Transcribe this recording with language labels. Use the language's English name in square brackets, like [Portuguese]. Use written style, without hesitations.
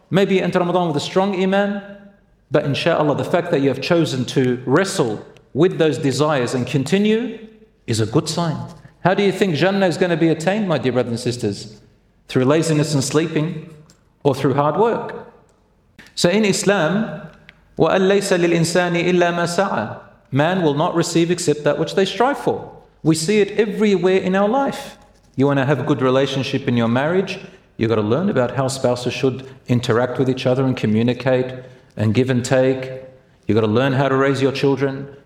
[English] Maybe you enter Ramadan with a strong iman. But inshallah, the fact that you have chosen to wrestle with those desires and continue is a good sign. How do you think Jannah is going to be attained, my dear brothers and sisters? Through laziness and sleeping, or through hard work. So in Islam, [Arabic] وَأَلَّيْسَ لِلْإِنسَانِ إِلَّا مَا سَعَى. [English] Man will not receive except that which they strive for. We see it everywhere in our life. You want to have a good relationship in your marriage, you've got to learn about how spouses should interact with each other and communicate and give and take. You've got to learn how to raise your children.